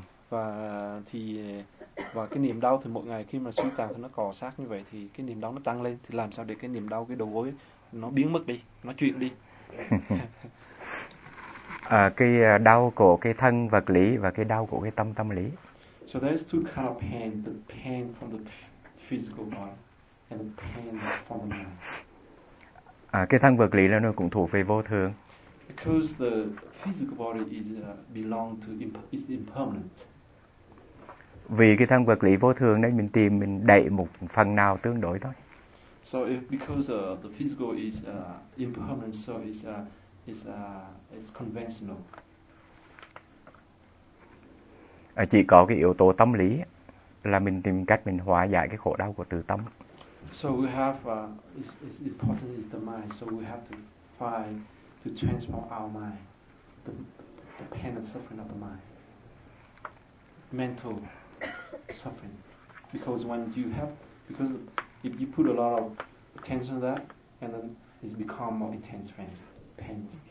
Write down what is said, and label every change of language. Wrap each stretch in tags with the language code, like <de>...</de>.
<vi>Và cái niềm đau thì mọi ngày khi mà suy tàn thì nó cọ sát như vậy thì cái niềm đau nó tăng lên. Thì làm sao để cái niềm đau cái đầu gối nó biến mất đi, nó chuyển đi. Cái đau của cái thân vật lý và cái đau của cái tâm tâm lý.</vi> <en>So there's two kind of pain, the pain from the physical body and the pain from the mind.</en> <vi>Cái thân vật lý là nó cũng thuộc về vô thường.</vi> <en>Because the physical body is belong to is impermanent.</en> <vi>Vì cái thân vật lý vô thường đấy, mình tìm mình đẩy một phần nào tương đối thôi.</vi> <en>So if because the physical is impermanent, so it's conventional.</en> <vi>Chỉ có cái yếu tố tâm lý là mình tìm cách mình hóa giải cái khổ đau của tự tâm.</vi> <en>So we have it's important is the mind, so we have to find to transform our mind, the pain and suffering of the mind, mental suffering. Because when you have, because if you put a lot of attention to that, and then it's become more intense pain.</en>